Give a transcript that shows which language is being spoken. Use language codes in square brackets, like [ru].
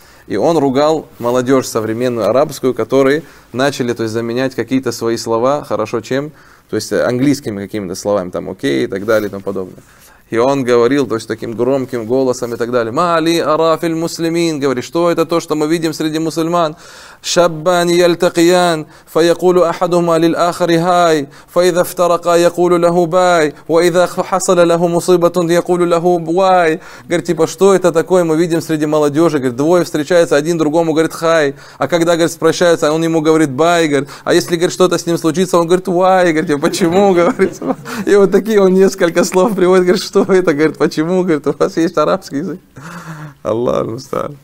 [ru] И он ругал молодежь современную арабскую, которые начали, то есть, заменять какие-то свои слова, хорошо чем, то есть английскими какими-то словами, там окей и так далее и тому подобное. И он говорил, то есть таким громким голосом и так далее. [ar] «Мали арафиль муслимин», [ru] говорит, что это то, что мы видим среди мусульман? [ar] شابان يلتقيان فيقول أحدهما للآخر هاي، فإذا افترقا يقول له باي، وإذا حصل له مصيبة يقول له واي. [ru] Говорит, типа, что это такое мы видим среди молодежи? Говорит, двое встречаются, один другому говорит хай, а когда, говорит, прощаются, он ему говорит бай, говорит, а если, говорит, что-то с ним случится, он говорит why, говорит, почему, говорит. И вот такие он несколько слов приводит, говорит, что это, говорит, почему, говорит, у вас есть арабский язык. Аллах мустан.